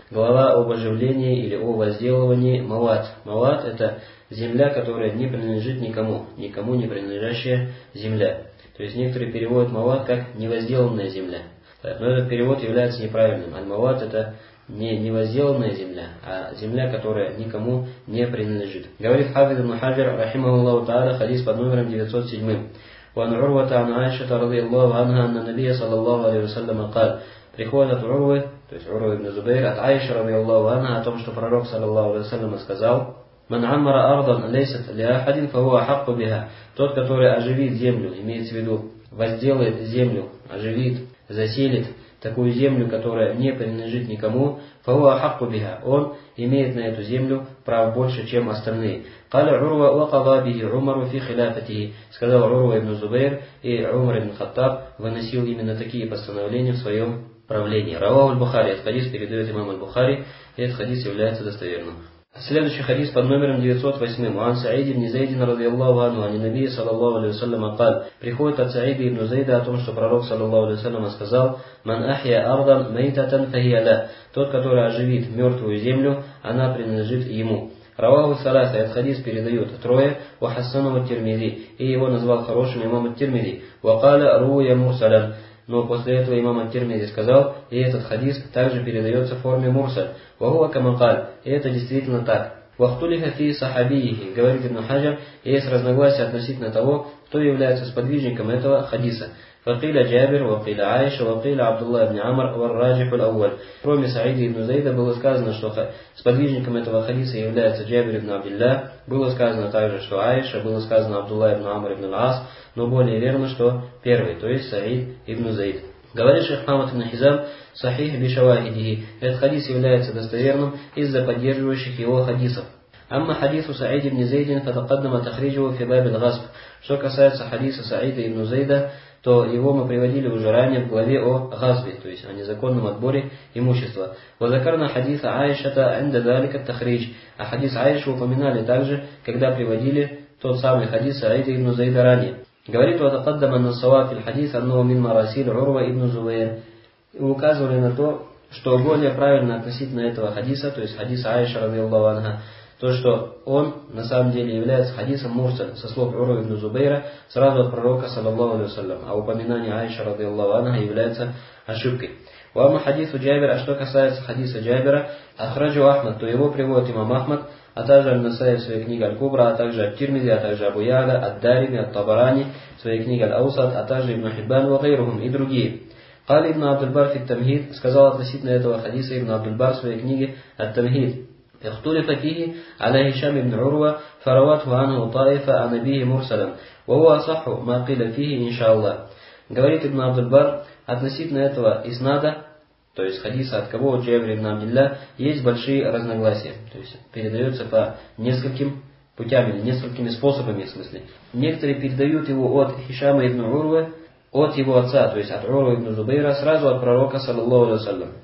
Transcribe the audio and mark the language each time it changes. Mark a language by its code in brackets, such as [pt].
[ru] Глава об оживлении или о возделывании Мават. Мават — это земля, которая не принадлежит никому, никому не принадлежащая земля. То есть некоторые переводят Мават как невозделанная земля. Но этот перевод является неправильным. Аль-Мават — это не невозделанная земля, а земля, которая никому не принадлежит. Говорит Хафиз ибн Хаджар, рахимахуллаху тааля, хадис под номером 907. [ar] وعن عروة عن عائشة رضي الله عنها أن النبي صلى الله عليه وسلم قال [ru] приходит от [ar] عروة, [ru] то есть [ar] عروة ابن زبير, от عائشة رضي الله عنها, [ru] о том, что пророк [ar] صلى الله عليه وسلم [ru] сказал [ar] من عمر أرضا ليست لأحد فهو أحق بها. [ru] Тот, который оживит землю, имеется в виду, возделает землю, оживит, заселит такую землю, которая не принадлежит никому, [ar] فهو أحق بها, [ru] он имеет на эту землю право больше, чем остальные. [ar] قال عروة وقضى به عمر في خلافته. [ru] Сказал عروة ибн Зубейр, и عمر ибн Хаттаб выносил именно такие постановления в своем правлении. [ar] رواه البخاري. [ru] Этот хадис передает имам البخاري, и этот хадис является достоверным. Следующий хадис под номером 908. [ar] عن سعيد بن زيد رضي الله عنه عن النبي صلى الله عليه وسلم قال [ru] приходит от [ar] سعيد ибн Зейда, [ru] о том, что пророк [ar] صلى الله عليه وسلم [ru] сказал [ar] من أحيا أرضا ميتة فهي له. [ru] Тот, который оживит мертвую землю, она принадлежит ему. Раваху саласа, этот хадис передают трое, ва хассанаху ат-Тирмизи, и его назвал хорошим имам ат-Тирмизи, ва кала руя мурсалян. Но после этого имам ат-Тирмизи сказал, и этот хадис также передается в форме мурсаль. [ar] Ва хуа кама кал, [ru] и это действительно так. [ar] Ва ихтулифа фи сахабиихи, [ru] говорит ибн Хаджар, есть разногласия относительно того, кто является сподвижником этого хадиса. [ar] وقيل جابر وقيل عائشة وقيل عبد الله بن عمر والراجح الأول. [ru] Кроме Саида ибн Зейда было сказано, что сподвижником этого хадиса является Джабир ибн Абдулла. Было сказано также, что Аиша, было сказано Абдулла ибн Амр ибн Ас, но более верно, что первый, то есть Саид ибн Зейд. Говорит шейх Мамат ибн Хизам, сахих би шавахидихи, этот хадис является достоверным из-за поддерживающих его хадисов. [ar] أما حديث سعيد بن زيد فتقدم تخريجه في باب الغصب. [ru] Что касается хадиса Саида ибн Зейда, то его мы приводили уже ранее в главе о газбе, то есть о незаконном отборе имущества. [ar] وذكرنا حديث عائشة عند ذلك التخريج. [ru] А хадис Аиши упоминали также, когда приводили тот самый хадис Саида ибн Зейда ранее. Говорит, [ar] وتقدم أن الصواب في الحديث أنه من مراسيل عروة ابن زبير. [ru] И указывали на то, что более правильно относительно этого хадиса, то есть хадиса Аиши رضي الله عنها, то, что он на самом деле является хадисом мурсаль со слов Уру ибн Зубейра сразу от пророка, саллаллаху алейхи ва саллям, а упоминание Аиши радиаллаху анха является ошибкой. Уама хадису Джабира, а что касается хадиса Джабира, ахраджу Ахмад, то его приводит имам Ахмад, а также Аль-Насаи в своей книге Аль-Кубра, а также Ат-Тирмизи, а также Абу-Яля, Ад-Дарими, Ат-Табарани, в своей книге Аль-Аусад, а также Ибн Хиббан ва гайрухум и другие. Кал ибн Абдул-Бар фи ат-Тамхид, сказал относительно этого хадиса ибн Абдул-Бар в своей книге Ат-Тамхид. [ar] اختلف فيه على هشام بن عروة فرواته عنه طائفة عن أبيه مرسلا وهو أصح ما قيل فيه إن شاء الله. [ru] Говорит ибн Абдул-Бар, относительно этого иснада, то есть хадиса от кого, от Джабира ибн Абдулла, есть большие разногласия, то есть передается по нескольким путям или несколькими способами, в смысле. Некоторые передают его от Хишама ибн Урвы, от его отца, то есть от Урвы ибн Зубейра, сразу от пророка, саллаллаху алейхи ва саллям.